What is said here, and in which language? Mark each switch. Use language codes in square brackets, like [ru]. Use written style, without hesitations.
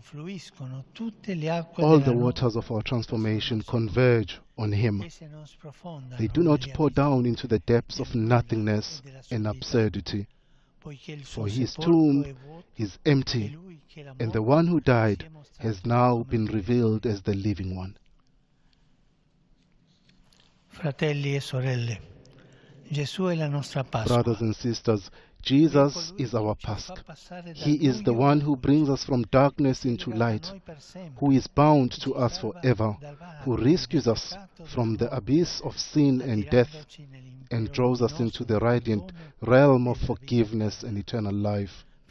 [en] All the waters of our transformation converge on him. They do not pour down into the depths of nothingness and absurdity, for his tomb is empty, and the one who died has now been revealed as the living one. [it] Fratelli e sorelle, Gesù è la nostra Pasqua. [en] Brothers and sisters, Jesus is our Pasch. He is the one who brings us from darkness into light, who is bound to us forever, who rescues us from the abyss of sin and death, and draws us into the radiant realm of forgiveness and eternal life.